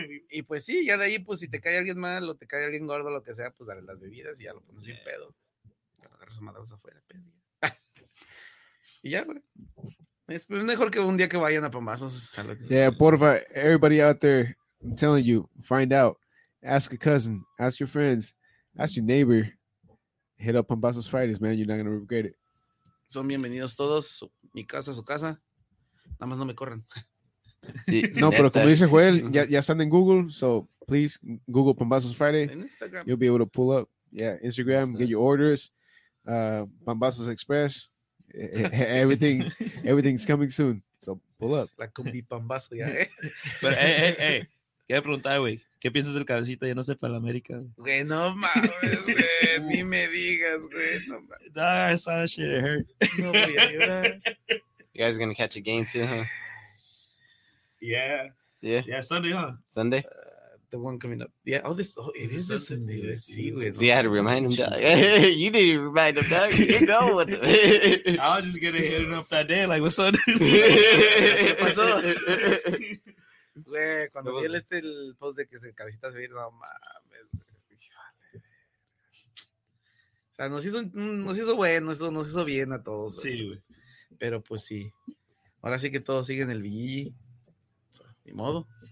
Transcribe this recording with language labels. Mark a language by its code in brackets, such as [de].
[es] Y pues sí, ya de ahí, pues si te cae alguien mal o te cae alguien gordo, lo que sea, pues dale las bebidas y ya lo pones bien pedo. Te lo agarras a madrugas afuera. Y ya, güey. Es mejor que un día que vayan a Pambazos. [en] Yeah, porfa, everybody out there, I'm telling you, find out. ask a cousin, ask your friends, ask your neighbor. Hit up Pambazos Fridays, man. You're not going to regret it. [es] Son bienvenidos todos. Mi casa, su casa. Nada más no me corran. No, pero como dice Joel, ya, ya están en Google. [en] So, please, Google Pambazos Friday. [es] En Instagram. [en] You'll be able to pull up. Yeah, Instagram. Instagram. Get your orders. Pambazos Express. Everything, everything's coming soon. So, pull up. [es] La combi Pambazo ya, Pero, hey. Quiero preguntar, güey. ¿Qué piensas del cabecita? Ya no sé para la América. Güey, no mames, güey. Ni me digas, güey. No mames. [en] Nah, that shit hurt. [es] No voy a llorar. [en] You guys are going to catch a game too, huh? Yeah, Sunday, huh? Sunday? The one coming up. Yeah, all this. Oh, is this a Sunday? See, so you had to remind him, dog. You didn't even remind him, dog. You know what? I was just going to hit him up that day. Like, what's up, dude? What's up? [es] Güey, cuando vi el post de que se cabecita se va a ir, no mames. Güey. O sea, nos hizo bueno, nos hizo bien a todos. Güey. Sí, güey. Pero pues sí. Ahora sí que todos siguen el VG. Ni modo.